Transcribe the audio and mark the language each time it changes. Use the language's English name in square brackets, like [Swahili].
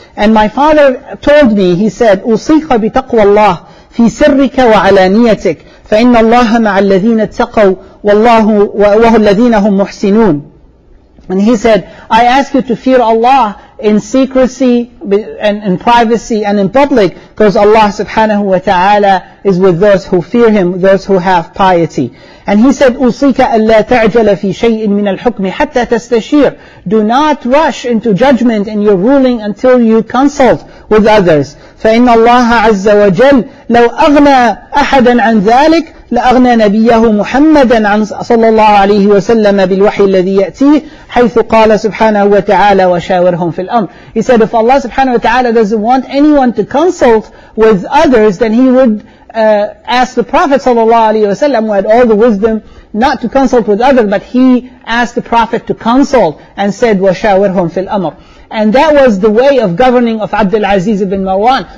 [English] And my father told me, he said, [Arabic] أُوصِيكَ بِتَقْوَى اللَّهِ فِي سِرِّكَ وَعَلَانِيَتِكَ فَإِنَّ اللَّهَ مَعَ الَّذِينَ اتَّقَوْا وَاللَّهُ وَهُ الَّذِينَ هُمْ مُحْسِنُونَ. [English] And he said, I ask you to fear Allah in secrecy and in privacy and in public, because Allah subhanahu wa ta'ala is with those who fear Him, those who have piety. [Arabic] And he said, أُوصِيكَ أَلَّا تَعْجَلَ فِي شَيْءٍ مِنَ الْحُكْمِ حَتَّى تَسْتَشِيرُ. [English] Do not rush into judgment and your ruling until you consult with others. [Arabic] فَإِنَّ اللَّهَ عَزَّ وَجَلَّ لَوْ أَغْنَى أَحَدًا عَنْ ذَلِكَ لأغنى نبيه محمدا عن صلى الله عليه وسلم بالوحي الذي يأتيه حيث قال سبحانه وتعالى وشاورهم في الأمر. [English] He said if Allah subhanahu wa ta'ala doesn't want anyone to consult with others, then he would ask the Prophet صلى الله عليه وسلم, who had all the wisdom, not to consult with others, but he asked the Prophet to consult and said [Arabic] وشاورهم في الأمر. [English] And that was the way of governing of Abdul Aziz ibn Marwan.